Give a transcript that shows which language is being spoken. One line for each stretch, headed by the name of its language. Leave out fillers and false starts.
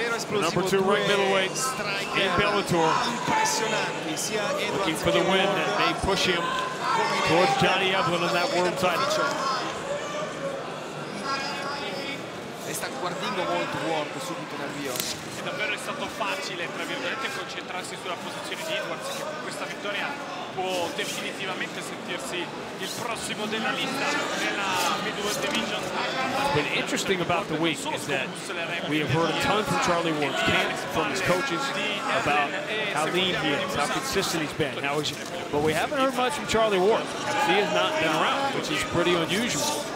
English: Number two ranked middleweight in Bellator. Looking for the win, and they push him towards Johnny Evelyn in that world title.
Italian: Guardando molto Ward subito dal via. È davvero è stato facile, tra virgolette, concentrarsi sulla posizione di Edwards, che con questa vittoria può definitivamente sentirsi il prossimo della lista nella middleweight division.
English: But interesting about the week is that we have heard a ton from Charlie Ward, came from his coaches about how lean he is, how consistent he's been, how he's, but we haven't heard much from Charlie Ward. He has not been around, which is pretty unusual.